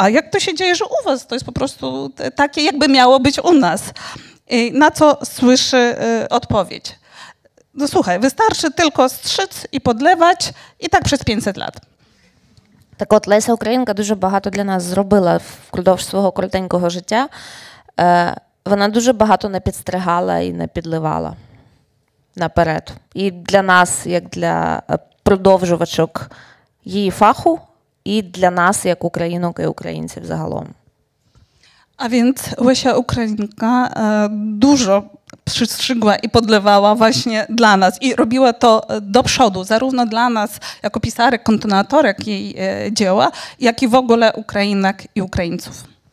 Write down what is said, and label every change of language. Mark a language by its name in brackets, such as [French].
[Polish] A jak to się dzieje, że u was to jest po prostu takie, jakby miało być u nas? I na co słyszy odpowiedź? No słuchaj, wystarczy tylko strzyc i podlewać i tak przez 500 lat. [Ukrainian] Так от, Леся Українка дуже багато для нас зробила впродовж свого коротенького життя. Вона дуже багато не підстригала і не підливала наперед. І для нас, як для продовжувачок її фаху, і для нас, як українок і українців загалом. [Polish] A więc Łysia Ukrainka dużo przystrzygła i podlewała właśnie dla nas i robiła to do przodu, zarówno dla nas jako pisarek, kontynuatorek jej dzieła, jak i w ogóle Ukrainek i Ukraińców.